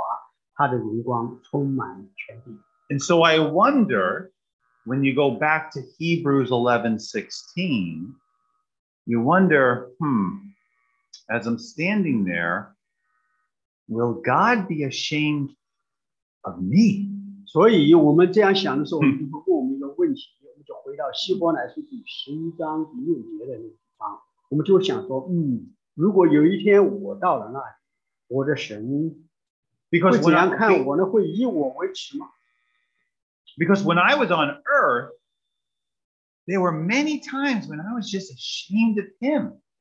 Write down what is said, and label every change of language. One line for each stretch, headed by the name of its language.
Chinese: 我们会要在这个情况之中看见在脸面如同日头放光的在那里面在那里我们听见众天使在说圣哉圣哉圣哉主耶和华他的荣光充满全地
English: And so I wonder, when you go back to Hebrews 11:16, you wonder, as I'm standing there, will God be ashamed of me?
Chinese: 所以我们这样想的时候，我们就问题，我们就回到希伯来书第十一章第六节的那地方，我们就想说，如果有一天我到了那里，我的神会怎样看我呢？会以我为耻吗？
English: Because when I was on earth, there were many times when I was just ashamed of him.